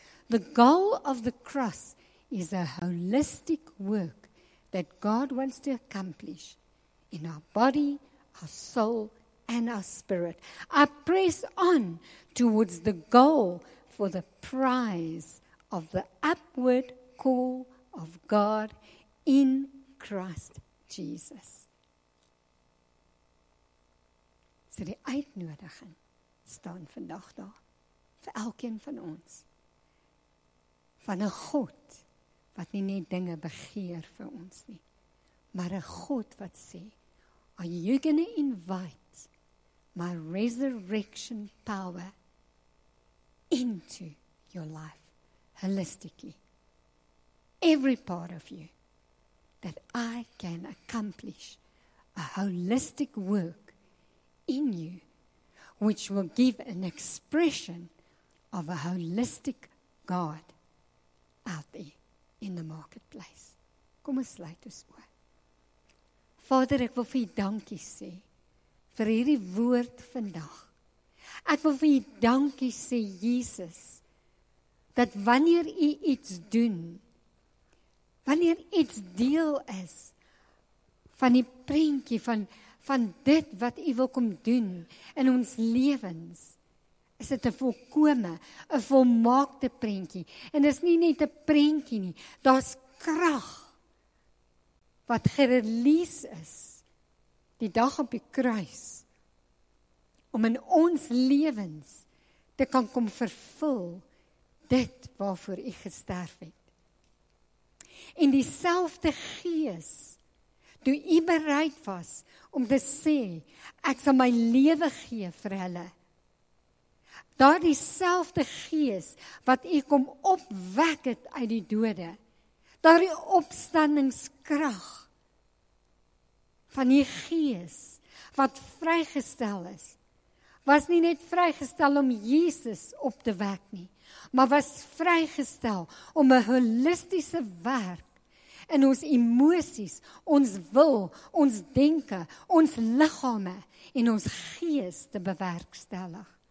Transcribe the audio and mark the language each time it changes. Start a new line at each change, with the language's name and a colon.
English: The goal of the cross is a holistic work that God wants to accomplish in our body, our soul, and our spirit. I press on towards the goal for the prize of the upward call of God in Christ Jesus.
Afrikaans: So die uitnodiging staan vandag daar vir elkeen van ons. Van 'n God wat nie net dinge begeer vir ons nie, maar 'n God wat sê,
English: are you going to invite my resurrection power into your life, holistically, every part of you, that I can accomplish a holistic work in you, which will give an expression of a holistic God out there in the marketplace.
Afrikaans: Kom ons sluit ons oor. Vader, ek wil vir u dankie sê vir hierdie woord vandag. Ek wil vir u dankie sê, Jesus, dat wanneer u iets doen, wanneer iets deel is van die prentjie van dit wat u wil kom doen in ons lewens, is dit 'n volkome, 'n volmaakte prentjie. En dit is nie net 'n prentjie nie. Daar's krag wat gereleas is die dag op die kruis om in ons lewens te kan kom vervul dit waarvoor u gesterf het. En dieselfde Gees toe u bereid was om te sê, ek sal my lewe gee vir hulle. Daar dieselfde Gees wat u kom opwek het uit die dode. Daar die opstandingskrag van die Gees wat vrygestel is, was nie net vrygestel om Jesus op te wek nie, maar was vrygestel om 'n holistiese werk in ons emosies, ons wil, ons denke, ons liggame en ons gees te bewerkstellig.